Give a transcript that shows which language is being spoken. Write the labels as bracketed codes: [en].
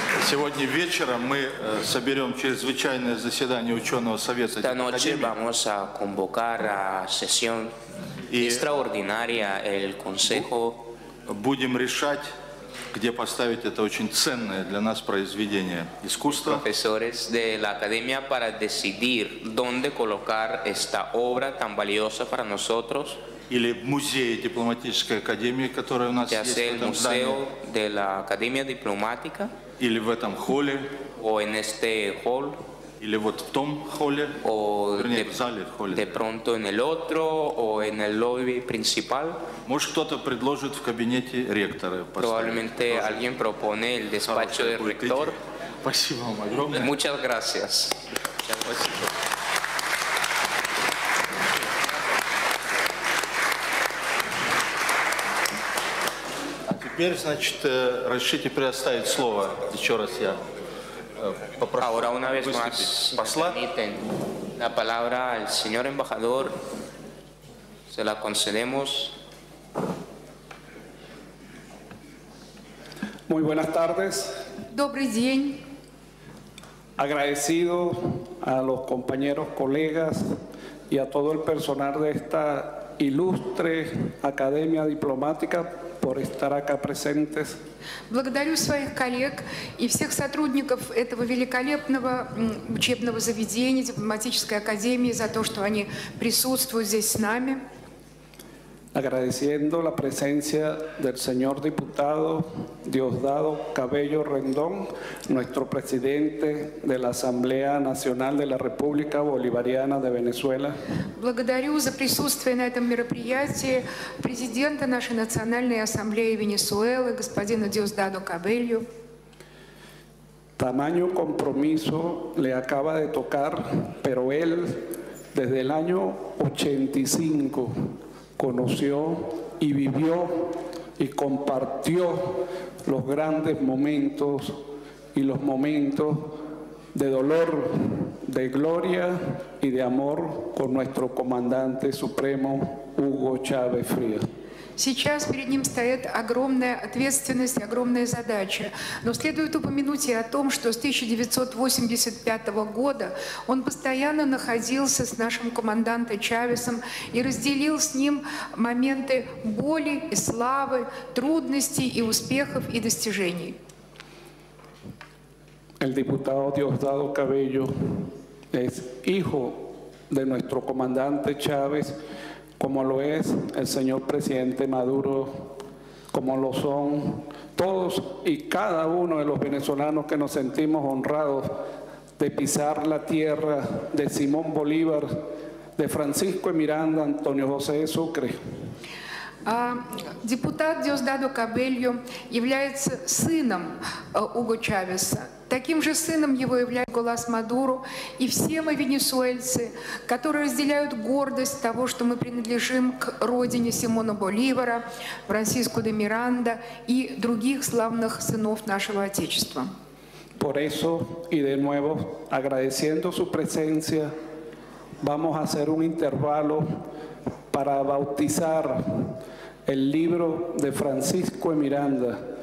[ru] Сегодня вечером мы соберем чрезвычайное заседание ученого совета. [es] Esta noche vamos a convocar a sesión extraordinaria el consejo. [ru] Будем решать, где поставить это очень ценное для нас произведение искусства. [es] Profesores de la academia para decidir dónde colocar esta obra tan valiosa para nosotros. [ru] Или в музее дипломатической академии, которая у нас [es] ya [ru] есть в этом [es] museo [ru] здании. [es] De la Academia Diplomática. [ru] Или в этом холле. [es] O en este hall. [ru] Или вот в том холле. [es] O [ru] вернее, de, в зале в холле. [es] De pronto en el otro, o en el lobby principal. [ru] Может, кто-то предложит в кабинете ректора поставить. [es] Probablemente alguien propone el despacho del rector. [ru] Спасибо вам огромное. [es] Muchas gracias. Muchas gracias. [ru] Теперь, значит, разрешите предоставить слово, еще раз я попрошу выступить посла. [es] La palabra al señor embajador se la concedemos. Muy buenas tardes. [ru] Добрый день. [es] Agradecido a los compañeros, colegas y a todo el personal de esta ilustre Academia Diplomática por estar acá presentes. [ru] Благодарю своих коллег и всех сотрудников этого великолепного учебного заведения, дипломатической академии, за то, что они присутствуют здесь с нами. [es] agradeciendo la presencia del señor diputado Diosdado Cabello Rendón, nuestro presidente de la Asamblea Nacional de la República Bolivariana de Venezuela. [ru] Благодарю за присутствие на этом мероприятии президента нашей Национальной Ассамблеи Венесуэлы, господина Диосдадо Кабельо. [es] Tamaño compromiso le acaba de tocar, pero él desde el año 85 conoció y vivió y compartió los grandes momentos y los momentos de dolor, de gloria y de amor con nuestro comandante supremo Hugo Chávez Frías. [ru] Сейчас перед ним стоит огромная ответственность, огромная задача. Но следует упомянуть и о том, что с 1985 года он постоянно находился с нашим командантом Чавесом и разделил с ним моменты боли и славы, трудностей и успехов и достижений. [es] El diputado Diosdado Cabello es hijo de nuestro comandante Chávez. Como lo es el señor presidente Maduro, como lo son todos y cada uno de los venezolanos que nos sentimos honrados de pisar la tierra de Simón Bolívar, de Francisco de Miranda, Antonio José de Sucre. [ru] Депутат Диосдадо Кабельо является сыном Уго Чавеса. Таким же сыном его является Николас Мадуро, и все мы, венесуэльцы, которые разделяют гордость того, что мы принадлежим к родине Симона Боливара, Франсиско де Миранда и других славных сынов нашего Отечества. [es] Por eso, y de nuevo, agradeciendo su presencia, vamos a hacer un intervalo para bautizar el libro de Francisco de Miranda.